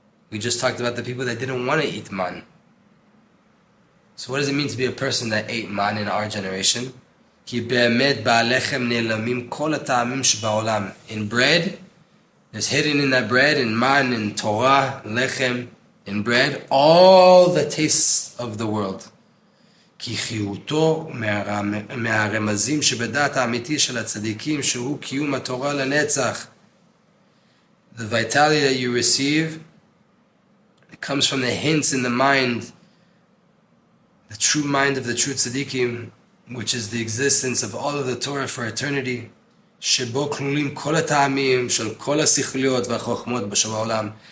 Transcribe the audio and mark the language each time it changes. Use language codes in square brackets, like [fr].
[en] We just talked about the people that didn't want to eat man. So what does it mean to be a person that ate man in our generation? In bread, there's hidden in that bread, in man, in Torah, in lechem, in bread, all the tastes of the world. [he] כי חיותו מהרמזים שבדעת האמיתי של הצדיקים שהוא קיום התורה לנצח. [en] The vitality that you receive, it comes from the hints in the mind, the true mind of the true tzaddikim, which is the existence of all of the Torah for eternity, [he] שבו כלולים כל הטעמים של כל השכליות והחוכמות בשבועולם.